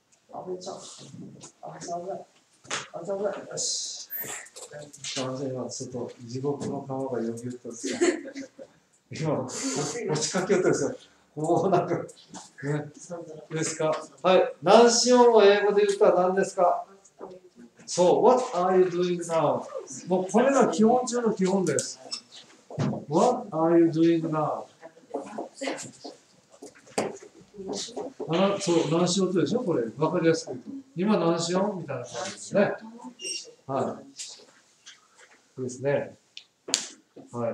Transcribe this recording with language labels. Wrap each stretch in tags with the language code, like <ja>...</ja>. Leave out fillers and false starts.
<ja>あぶちゃん、あぶちゃんぐらい、よし、じゃあ今ちょっと地獄の川がよぎゅっとして今落ちかけようとしてこうなんかね、いいですか。はい、何しようを英語で言ったら何ですか。そう、</ja> <en>What are you doing now?</en> <ja>もうこれが基本中の基本です。</ja> <en>What are you doing now?</en> <ja>あ、そう、何しようとでしょ、これ分かりやすく言うと今何しようみたいな感じですね。はい。ですね。はい。</ja>